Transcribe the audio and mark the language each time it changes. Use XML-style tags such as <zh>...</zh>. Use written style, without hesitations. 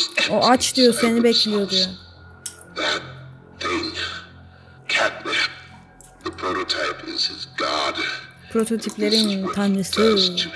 <tr>O aç diyor, seni bekliyor diyor.</tr> <en>That thing, catnap. The prototype is his god.</en> <tr>Prototiplerin tanrısı.</tr>